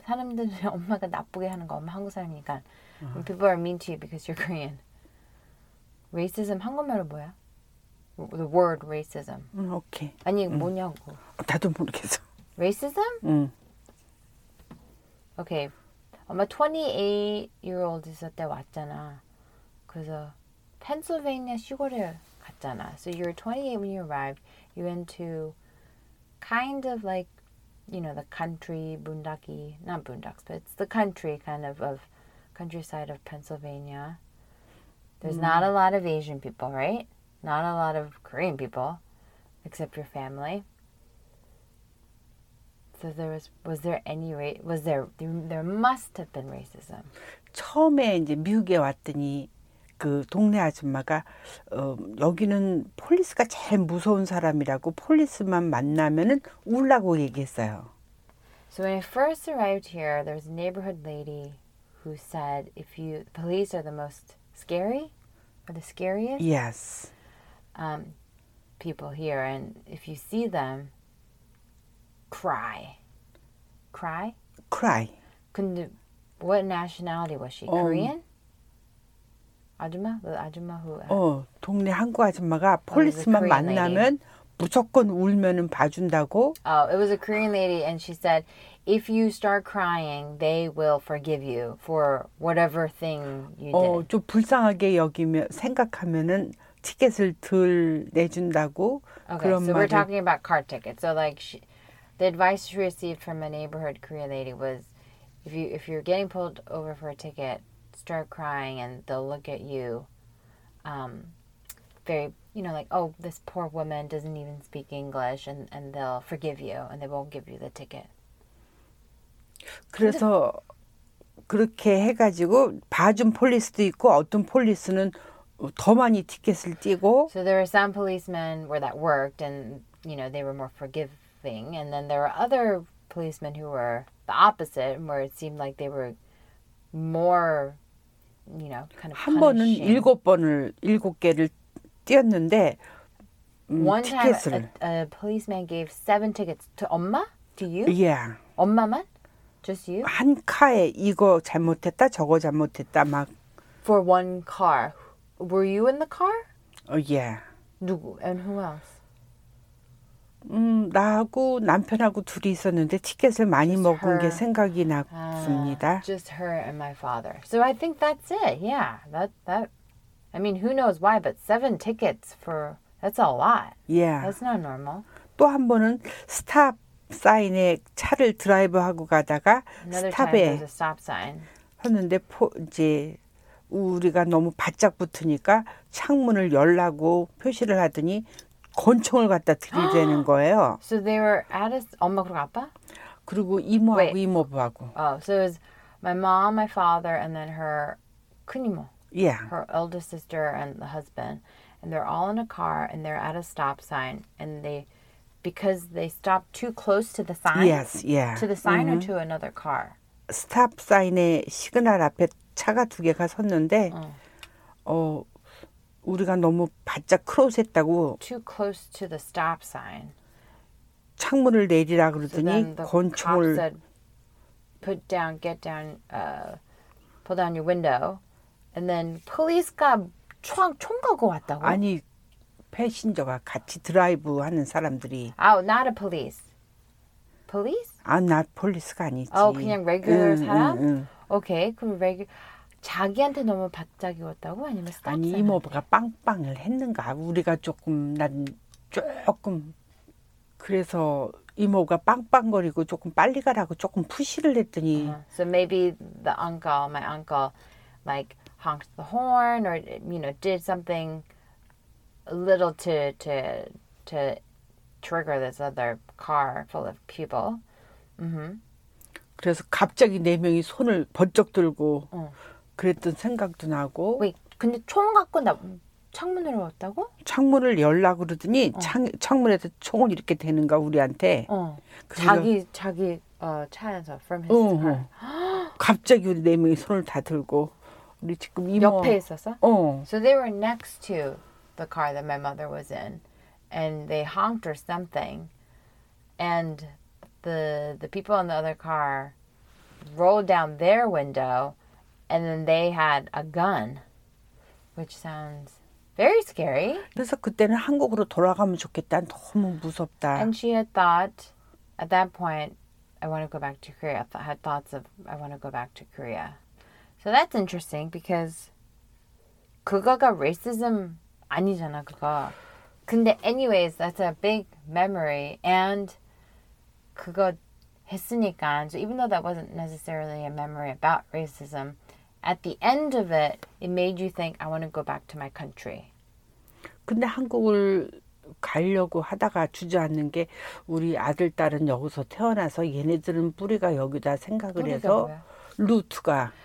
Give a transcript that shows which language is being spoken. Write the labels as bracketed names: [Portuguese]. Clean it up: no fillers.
[Korean] 사람들이 엄마가 나쁘게 하는 거, 엄마 한국 사람이니까. [English] When people are mean to you because you're Korean. Racism [Korean] 한국말로 뭐야? [English] The word racism. Okay. [Korean] 아니, 뭐냐고. 나도 모르겠어. [English] Racism? [Korean] 응. Okay. 엄마 28-year-old 있을 때 왔잖아. 그래서 펜실베이니아 시골에 갔잖아. [English] So you were 28 when you arrived. You went to kind of like, you know, the country, boondocky, not boondocks, but it's the country kind of countryside of Pennsylvania. There's not a lot of Asian people, right? Not a lot of Korean people, except your family. So there there must have been racism. [Korean] 처음에 이제 미국에 왔더니 그 동네 아줌마가 여기는 폴리스가 제일 무서운 사람이라고 폴리스만 만나면은 울라고 얘기했어요. [English] So when I first arrived here, there was a neighborhood lady who said, "If you police are the most scary." Are the scariest? Yes. People here, and if you see them, cry. Cry? Cry. What nationality was she? Korean? 아줌마? The 아줌마 who... [Korean] 동네 한국 아줌마가 폴리스만 만나면 무조건 울면은 봐준다고. [English] Oh, it was a Korean lady, and she said, if you start crying, they will forgive you for whatever thing you did. [Korean] 좀 불쌍하게 여기면 생각하면은 티켓을 덜 내준다고. [English] Okay, [Korean] 그런 [English] so 말을... we're talking about car tickets. So like, the advice she received from a neighborhood Korean lady was, if you're getting pulled over for a ticket, start crying, and they'll look at you, very, you know, like, oh, this poor woman doesn't even speak English, and they'll forgive you, and they won't give you the ticket. [Korean] 그래서 그렇게 해가지고 봐준 폴리스도 있고 어떤 폴리스는 더 많이 티켓을 띄고. [English] So there are some policemen where that worked, and you know they were more forgiving. And then there are other policemen who were the opposite, where it seemed like they were more, you know, kind of punishing. [Korean] 한 번은 일곱 개를 띄었는데. [English] One time, a policeman gave 7 tickets to 엄마? To you? Yeah. [Korean] 엄마만? [English] Just you? [Korean] 한 카에 이거 잘못했다, 저거 잘못했다, 막. [English] For one car. Were you in the car? Yeah. [Korean] 누구? [English] And who else? [Korean] 나하고 남편하고 둘이 있었는데 티켓을 많이 just 먹은 her. 게 생각이 났습니다. [English] Just her and my father. So I think that's it. Yeah. That. I mean, who knows why, but 7 tickets for... That's a lot. Yeah. That's not normal. [Korean] 또 한 번은 stop sign에 차를 드라이브하고 가다가 stop에 stop sign. 했는데 이제 우리가 너무 바짝 붙으니까 창문을 열라고 표시를 하더니 권총을 갖다 들이대는 거예요. [English] So they were at a [Korean] 엄마 그리고 아빠? 그리고 이모하고 [English] Wait. [Korean] 이모부하고. [English] Oh, so it was my mom, my father, and then her 큰이모. Yeah. Her eldest sister and the husband. And they're all in a car, and they're at a stop sign, and they, because they stopped too close to the sign? Yes, yeah. To the sign mm-hmm. or to another car? [Korean] Stop sign의 시그널 앞에 차가 두 개가 섰는데, 우리가 너무 바짝 크로스 했다고. [English] Too close to the stop sign. [Korean] 창문을 내리라 그러더니, [English] so the [Korean] 권총을. [English] Cop said, put down, get down, pull down your window. And then police got... [Korean] 총 가고 왔다고? 아니, 패신저가 같이 드라이브 하는 사람들이. [English] Oh, not a police. Police? [Korean] 아, [English] not [Korean] police가 아니지. Oh, 그냥 [English] regular [Korean] 사람? 오케이, 그럼 자기한테 너무 바짝이 왔다고? 아니면 stop 아니, 이모부가 빵빵을 했는가? 우리가 조금, 난 조금. 그래서 이모부가 빵빵거리고 조금 빨리 가라고 조금 푸시를 했더니. [English] So maybe the uncle, my uncle, like, honked the horn or, you know, did something a little to trigger this other car full of people. Mm-hmm. [Korean] 그래서 갑자기 네 명이 손을 번쩍 들고 그랬던 생각도 나고. [English] Wait, [Korean] 근데 총 갖고 나 창문으로 왔다고? 창문을 열라고 그러더니 창문에서 총을 이렇게 대는가 우리한테. 자기 차에서 [English] from his car. [Korean] 갑자기 우리 네 명이 손을 다 들고. 우리 지금 이모 옆에 있었어? 어. [English] So they were next to the car that my mother was in, and they honked or something, and the people in the other car rolled down their window, and then they had a gun, which sounds very scary. [Korean] 그래서 그때는 한국으로 돌아가면 좋겠다. 너무 무섭다. [English] And she had thought, at that point, I want to go back to Korea. Had thoughts of I want to go back to Korea. So that's interesting because [Korean] 그거가 racism 아니잖아, 그거. 근데 [English] anyways, that's a big memory and [Korean] 그거 했으니까. [English] So even though that wasn't necessarily a memory about racism, at the end of it, it made you think, I want to go back to my country. [Korean] 근데 한국을 가려고 하다가 주저앉는 게 우리 아들, 딸은 여기서 태어나서 얘네들은 뿌리가 여기다 생각을 해서 루트가